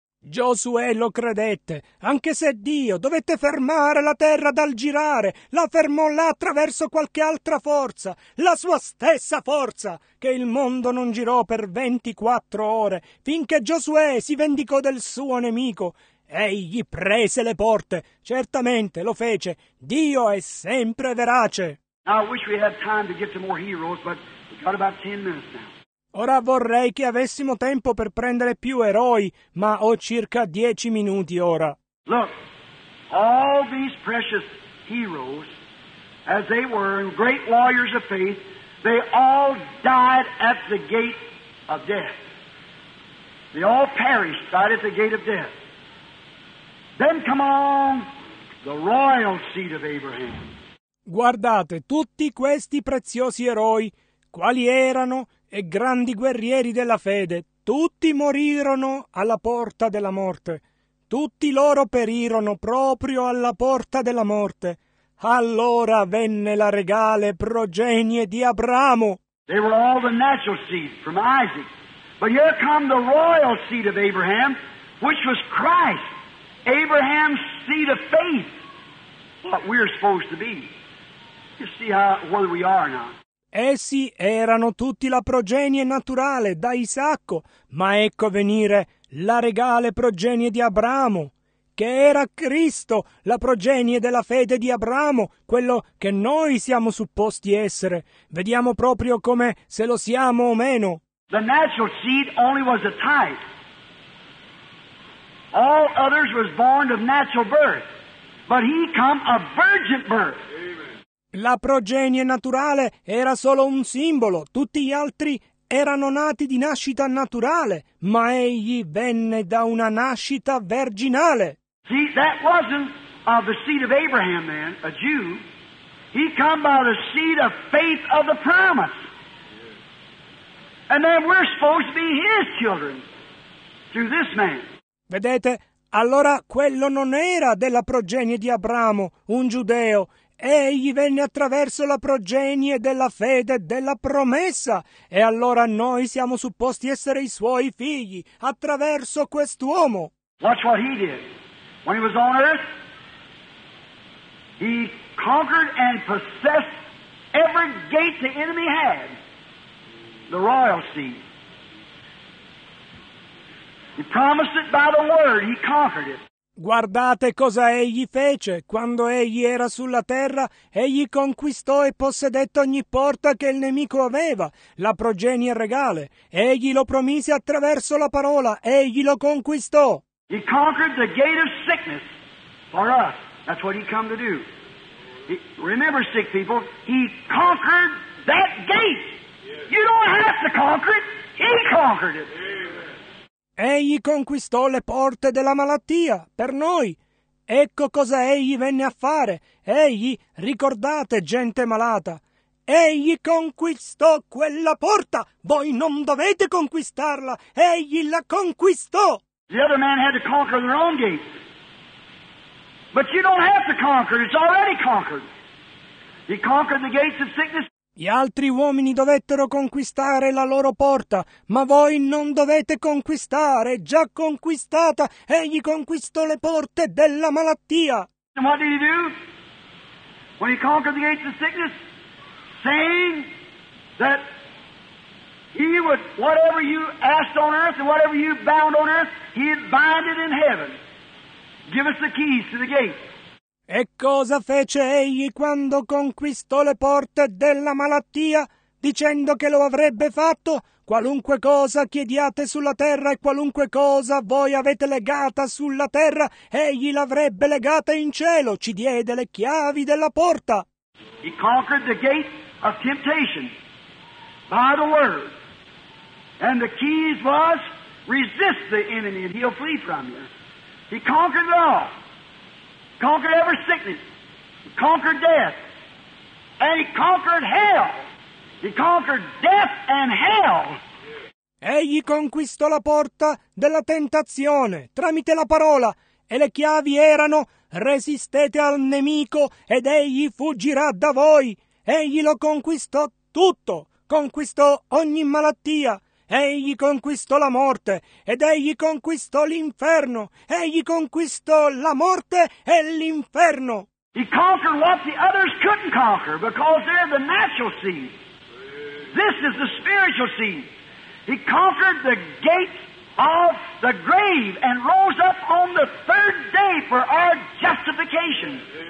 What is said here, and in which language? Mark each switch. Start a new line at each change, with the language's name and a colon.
Italian: Giosuè lo credette, anche se Dio dovette fermare la terra dal girare, la fermò là attraverso qualche altra forza, la sua stessa forza, che il mondo non girò per 24 ore, finché Giosuè si vendicò del suo nemico. Egli prese le porte, certamente lo fece. Dio è sempre verace.
English: Now I wish we had time to get to more heroes, but got about 10 minutes now.
Italian: Ora vorrei che avessimo tempo per prendere più eroi, ma ho circa 10 minuti ora.
English: Look, all these precious heroes, as they were great warriors of faith, they all died at the gate of death. They all perished, died at the gate of death. Then come along the royal seed of Abraham.
Italian: Guardate, tutti questi preziosi eroi, quali erano e grandi guerrieri della fede, tutti morirono alla porta della morte. Tutti loro perirono proprio alla porta della morte. Allora venne la regale progenie di Abramo.
English: They were all the natural seed from Isaac. But here come the royal seed of Abraham, which was Christ. Abraham's seed of faith. What we're supposed to be. You see where we are now.
Italian: Essi erano tutti la progenie naturale da Isacco, ma ecco venire la regale progenie di Abramo, che era Cristo, la progenie della fede di Abramo, quello che noi siamo supposti essere. Vediamo proprio come se lo siamo o meno.
English: The natural seed only was a type. All others was born of natural birth, but he come of virgin birth.
Italian: La progenie naturale era solo un simbolo, tutti gli altri erano nati di nascita naturale, ma egli venne da una nascita virginale.
English: See, that wasn't of the seed of Abraham then, a Jew. He come by the seed of faith of the promise. And then we're supposed to be his children through this man.
Italian: Vedete, allora quello non era della progenie di Abramo, un giudeo. Egli venne attraverso la progenie della fede, della promessa, e allora noi siamo supposti essere i suoi figli, attraverso quest'uomo.
English: Watch what he did. When he was on earth, he conquered and possessed every gate the enemy had, the royal seed. He promised it by the word, he conquered it.
Italian: Guardate cosa egli fece. Quando egli era sulla terra, egli conquistò e possedette ogni porta che il nemico aveva, la progenie regale. Egli lo promise attraverso la parola, egli lo conquistò.
English: He conquered the gate of sickness for us. That's what he came to do. He, remember, sick people, he conquered that gate. You don't have to conquer it, he conquered it.
Italian: Egli conquistò le porte della malattia per noi. Ecco cosa egli venne a fare. Egli, ricordate, gente malata, egli conquistò quella porta. Voi non dovete conquistarla. Egli la conquistò.
English: The other man had to conquer their own gates. But you don't have to conquer, it's already conquered. He conquered the gates of sickness.
Italian: Gli altri uomini dovettero conquistare la loro porta, ma voi non dovete conquistare, già conquistata, egli conquistò le porte della malattia.
English: And what did he do? When he conquered the gates of sickness, saying that he would, whatever you asked on earth and whatever you bound on earth, he had bound it in heaven. Give us the keys to the gate.
Italian: E cosa fece egli quando conquistò le porte della malattia, dicendo che lo avrebbe fatto? Qualunque cosa chiediate sulla terra e qualunque cosa voi avete legata sulla terra, egli l'avrebbe legata in cielo, ci diede le chiavi della porta.
English: He conquered the gate of temptation by the word. And the keys was, resist the enemy and he'll flee from you. He conquered it all. Conquered every sickness, he conquered death, and he conquered hell. He conquered death and hell.
Italian: Egli conquistò la porta della tentazione tramite la parola, e le chiavi erano: resistete al nemico ed egli fuggirà da voi. Egli lo conquistò tutto, conquistò ogni malattia. Egli conquistò la morte, ed egli conquistò l'inferno. Egli conquistò la morte e l'inferno.
English: He conquered what the others couldn't conquer, because they're the natural seed. This is the spiritual seed. He conquered the gate of the grave and rose up on the third day for our justification.